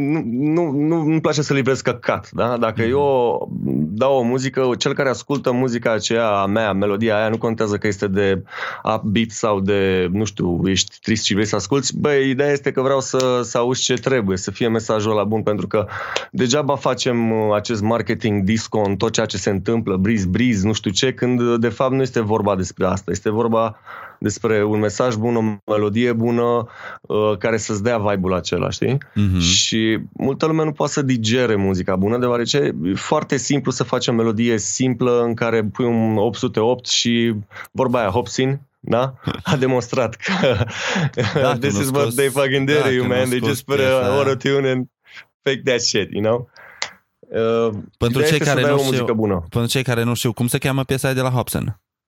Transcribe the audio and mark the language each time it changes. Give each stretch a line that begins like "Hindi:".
Romanian: Nu-mi place să livrez căcat, da? Dacă eu dau o muzică, cel care ascultă muzica aceea a mea, melodia aia, nu contează că este de upbeat sau de, nu știu, ești trist și vrei să asculți, băi, ideea este că vreau să auzi ce trebuie, să fie mesajul ăla bun, pentru că degeaba facem acest marketing disco în tot ceea ce se întâmplă, breeze, nu știu ce, când de fapt nu este vorba despre asta, este vorba despre un mesaj bun, o melodie bună, care să-ți dea vibe-ul acela, știi? Uh-huh. Și multă lume nu poate să digere muzica bună, deoarece e foarte simplu să faci o melodie simplă în care pui un 808 și vorba aia, Hobson, da? A demonstrat că
English: this is what they fucking dare you, man. They just put a auto-tune and fake that shit, you know?
Romanian: Pentru cei care nu știu, pentru cei care nu știu, cum se cheamă piesa aia de la Hobson?